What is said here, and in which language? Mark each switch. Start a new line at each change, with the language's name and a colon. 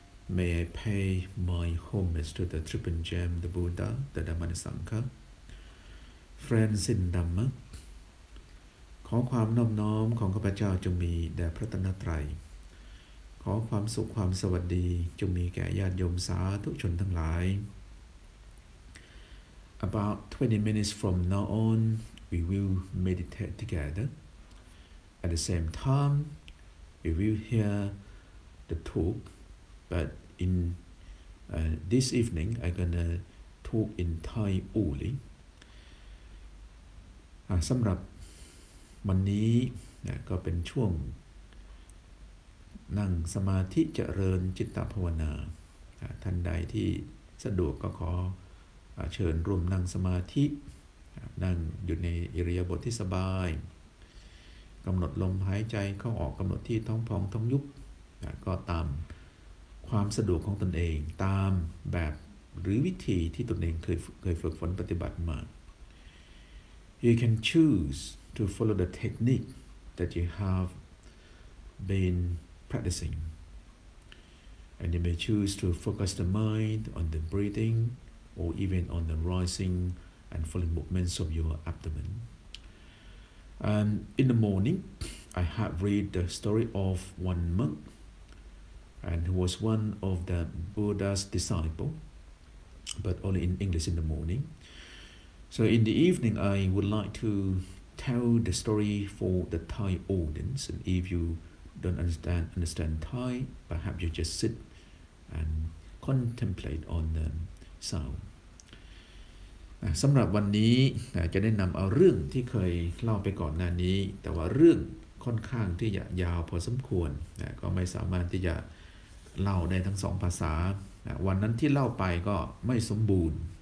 English: May I pay my homage to the Triple Gem, the Buddha, the Dhammasangha. Friends in Dhamma.
Thai: ขอความนอบน้อมของข้าพเจ้าจงมีแด่พระรัตนตรัยขอความสุขความสวัสดีจงมีแก่ญาติโยมสาธุชนทั้งหลาย
English: About 20 minutes from now on, we will meditate together. At the same time, we will hear the talk. But in this evening, I'm gonna talk in Thai only.
Thai: สำหรับวันนี้นะก็เป็นช่วงนั่งสมาธิเจริญจิตตภาวนาท่านใดที่สะดวกก็ขอเชิญร่วมนั่งสมาธินั่งอยู่ในอิริยาบถที่สบาย กำหนดลมหายใจเข้าออกกำหนดที่ท้องพองท้องยุบก็ตามความสะดวกของตนเองตามแบบหรือวิธีที่ตนเองเคยฝึกฝนปฏิบัติมา
English: You can chooseTo follow the technique that you have been practicing. And you may choose to focus the mind on the breathing or even on the rising and falling movements of your abdomen. And in the morning, I have read the story of one monk and who was one of the Buddha's disciples, but only in English in the morning. So in the evening, I would like to... Tell the story for the Thai audience, and if you don't understand Thai, perhaps you just sit and contemplate on the sound.
Thai: สำหรับวันนี้จะได้นำเอาเรื่องที่เคยเล่าไปก่อนหน้านี้แต่ว่าเรื่องค่อนข้างที่จะยาวพอสมควรก็ไม่สามารถที่จะเล่าได้ทั้งสองภาษาวันนั้นที่เล่าไปก็ไม่สมบูรณ์